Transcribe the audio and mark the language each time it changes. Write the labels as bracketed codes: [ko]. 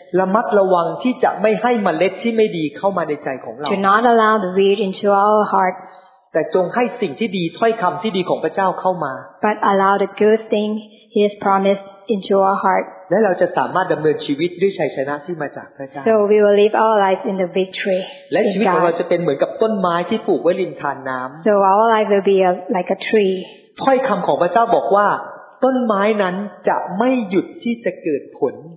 [th] ระมัดระวังที่จะไม่ให้เมล็ดที่ไม่ดีเข้ามาในใจของเรา [en] Do not allow the weed into our hearts. [th] แต่จงให้สิ่งที่ดีถ้อยคำที่ดีของพระเจ้าเข้ามา [en] But allow the good thing He has promised into our heart. [th] และเราจะสามารถดำเนินชีวิตด้วยชัยชนะที่มาจากพระเจ้า [en] So we will live our life in the victory. [th] และชีวิตของเราจะเป็นเหมือนกับต้นไม้ที่ปลูกไว้ริมธารน้ำ [en] So our life will be like a tree. [th] ถ้อยคำของพระเจ้าบอกว่าต้นไม้นั้นจะไม่หยุดที่จะเกิดผล